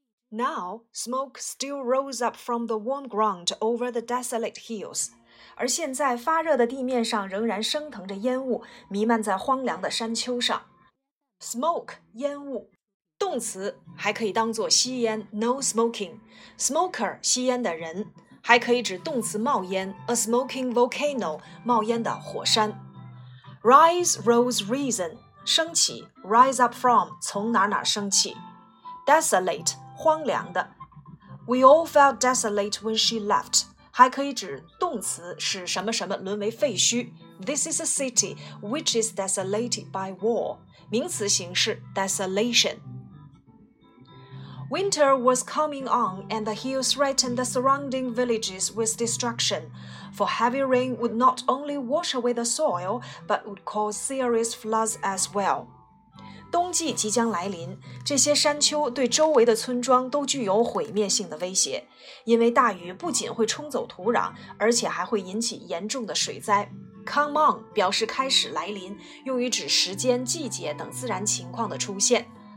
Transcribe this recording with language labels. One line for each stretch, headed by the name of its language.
English: Now, smoke still rose up from the warm ground over the desolate hills.
Chinese: 而现在发热的地面上仍然升腾着烟雾，弥漫在荒凉的山丘上。 Smoke, 烟雾。动词还可以当作吸烟
English: no smoking.
Chinese: Smoker, 吸烟的人。还可以指动词冒烟
English: a smoking volcano,
Chinese: 冒烟的火山。
English: Rise, rose, reason,
Chinese: 升起
English: rise up from,
Chinese: 从哪哪升起。 Desolate, 荒凉的。
English: We all felt desolate when she left,
Chinese: 还可以指动词使什么什么沦为废墟。
English: This is a city which is desolated by war.
Chinese: 名词形式
English: desolation. Winter was coming on and the hills threatened the surrounding villages with destruction, for heavy rain would not only wash away the soil, but would cause serious floods as well.
Chinese: 冬季即将来临，这些山丘对周围的村庄都具有毁灭性的威胁，因为大雨不仅会冲走土壤，而且还会引起严重的水灾。 Come on 表示开始来临，用于指时间、季节等自然情况的出现。